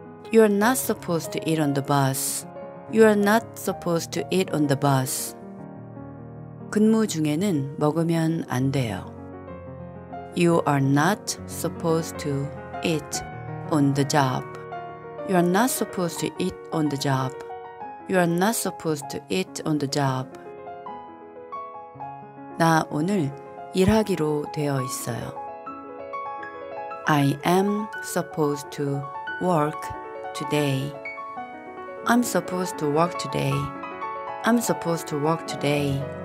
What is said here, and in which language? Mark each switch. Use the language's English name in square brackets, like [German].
[English] You are not supposed to eat on the bus. You are not supposed to eat on the bus. [Korean] 근무 중에는 먹으면 안 돼요. [English] You are not supposed to eat on the job. You are not supposed to eat on the job. You are not supposed to eat on the job. [Korean] 나 오늘 일하기로 되어 있어요. [English] I am supposed to work today. I'm supposed to work today. I'm supposed to work today.